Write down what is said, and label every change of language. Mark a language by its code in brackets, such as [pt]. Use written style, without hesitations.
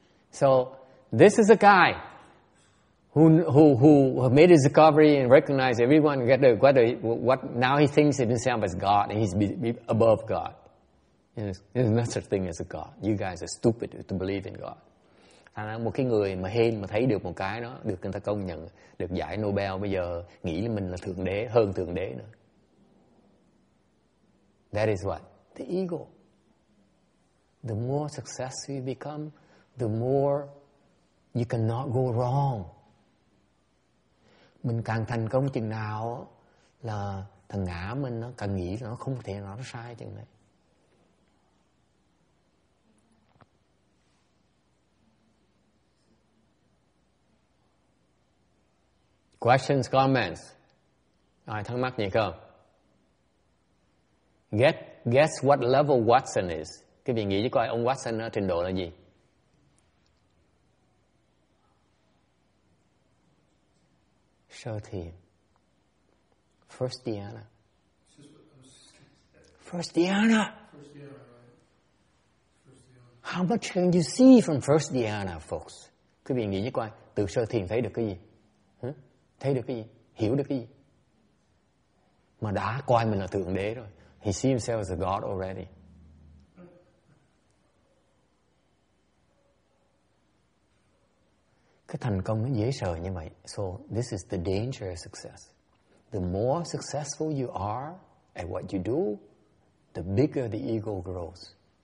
[en] So this is a guy who made his discovery and recognized everyone, what now he thinks of himself as God, and he's above God. There's no such thing as a God. You guys are stupid to believe in God. [vi] Thành ra một cái người mà hên mà thấy được một cái đó, được người ta công nhận, được giải Nobel, bây giờ nghĩ là mình là Thượng Đế, hơn Thượng Đế nữa. [en] That is what? The ego. The more successful you become, the more you cannot go wrong. [vi] Mình càng thành công chừng nào là thằng ngã mình nó càng nghĩ nó không thể nói sai chừng đấy. [en] Questions, comments? [vi] Ai thắc mắc gì không? [en] Guess what level Watson is. [vi] Cái vị nghĩ chứ coi ông Watson ở trình độ là gì? Sơ thiền. First Diana. [en] First Diana. How much can you see from First Diana, folks? [vi] Quý vị nghĩ chứ coi, từ sơ thiền thấy được cái gì? Thấy được cái gì? Hiểu được cái gì? Mà đã coi mình là Thượng Đế rồi. [en] He sees himself as a God already. [vi] Cái thành công nó dễ sợ như vậy. [en] So this is the danger of success. The more successful you are at what you do, the bigger the ego grows.